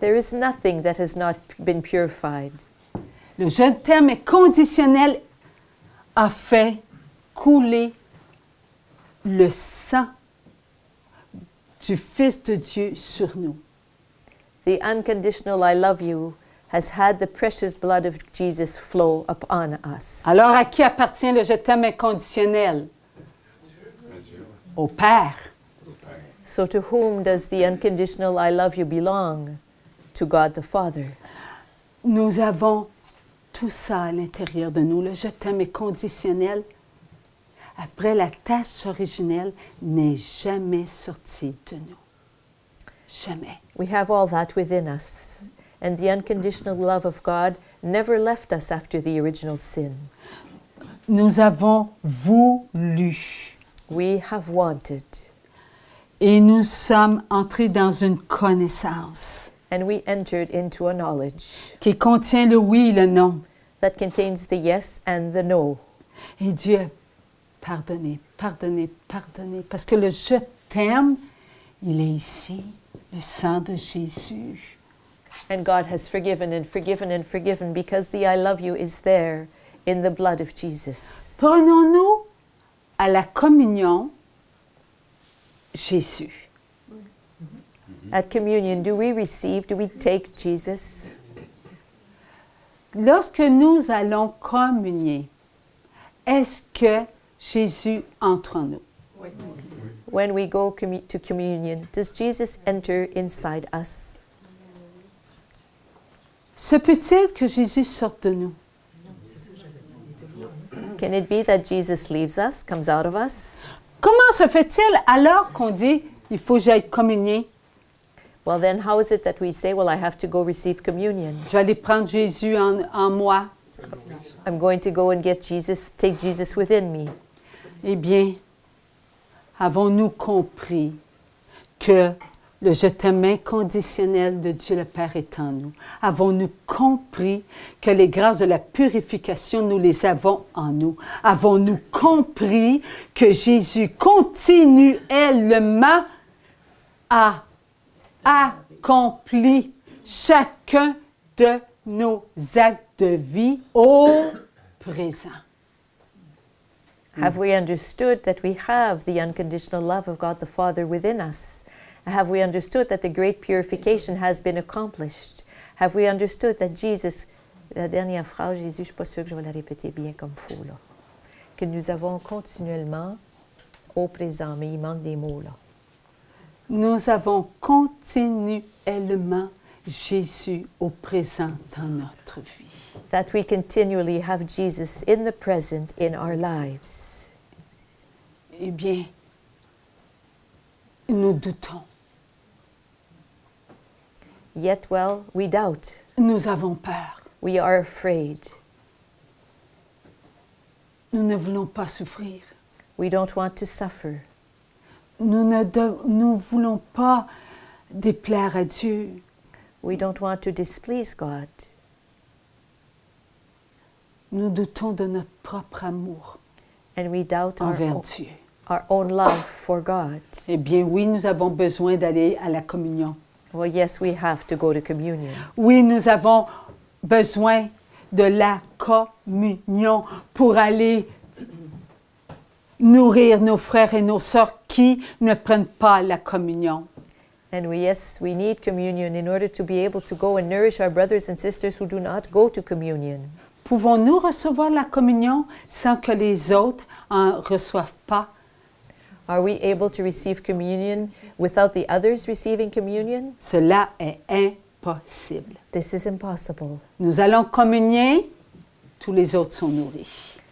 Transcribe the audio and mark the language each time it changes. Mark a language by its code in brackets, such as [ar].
[en] There is nothing that has not been purified. [fr] Le « je t'aime » est conditionnel a fait couler le sang du Fils de Dieu sur nous. [en] The unconditional I love you has had the precious blood of Jesus flow upon us. [fr] Alors à qui appartient le je t'aime inconditionnel? Au Père. [en] So to whom does the unconditional I love you belong? To God the Father. [fr] Nous avons tout ça à l'intérieur de nous. Le je t'aime inconditionnel, après la tâche originelle, n'est jamais sorti de nous. Jamais. [en] We have all that within us, and the unconditional love of God never left us after the original sin. [fr] Nous avons voulu. [en] We have wanted. [fr] Et nous sommes entrés dans une connaissance. [en] And we entered into a knowledge. [fr] Qui contient le oui et le non. [en] That contains the yes and the no. [fr] Et Dieu, pardonné, parce que le je t'aime, il est ici. Le sang de Jésus. [en] And God has forgiven and forgiven and forgiven because the I love you is there in the blood of Jesus. [fr] Prenons-nous à la communion Jésus. [en] Mm-hmm. At communion, do we receive, do we take Jesus? [fr] Lorsque nous allons communier, est-ce que Jésus entre en nous? [en] When we go to communion, does Jesus enter inside us? [fr] Se peut-il que Jésus sorte de nous? [en] Can it be that Jesus leaves us, comes out of us? [fr] Comment se fait-il alors qu'on dit, il faut que j'aille communier? [en] Well then, how is it that we say, well, I have to go receive communion? [fr] Je vais aller prendre Jésus en moi. [en] I'm going to go and get Jesus, take Jesus within me. [fr] Eh bien, avons-nous compris que le je t'aime inconditionnel de Dieu le Père est en nous? Avons-nous compris que les grâces de la purification, nous les avons en nous? Avons-nous compris que Jésus continuellement a accompli chacun de nos actes de vie au présent? [en] Have we understood that we have the unconditional love of God the Father within us Have we understood that the great purification has been accomplished? Have we understood that Jesus, [fr] la dernière phrase, Jésus, je ne suis pas sûre que je vais la répéter bien comme il faut, là. Que nous avons continuellement, au présent, mais il manque des mots, là. Nous avons continuellement Jésus au présent dans notre vie. [en] That we continually have Jesus in the present in our lives. [fr] Eh bien, nous doutons. [en] Yet, well, we doubt. [fr] Nous avons peur. [en] We are afraid. [fr] Nous ne voulons pas souffrir. [en] We don't want to suffer. [fr] Nous ne voulons pas déplaire à Dieu. [en] We don't want to displease God. [fr] Nous doutons de notre propre amour. [en] And we doubt [fr] envers [en] our [fr] Dieu. [en] Our own love for God. [fr] Eh bien, oui, nous avons besoin d'aller à la communion. [en] Well, yes, we have to go to communion. [fr] Oui, nous avons besoin de la communion pour aller nourrir nos frères et nos sœurs qui ne prennent pas la communion. [en] And we, yes, we need communion in order to be able to go and nourish our brothers and sisters who do not go to communion. [fr] Pouvons-nous recevoir la communion sans que les autres en reçoivent pas? [en] Are we able to receive communion without the others receiving communion? [fr] Cela est impossible. [en] This is impossible. [fr] Nous allons communier, tous les autres sont nourris.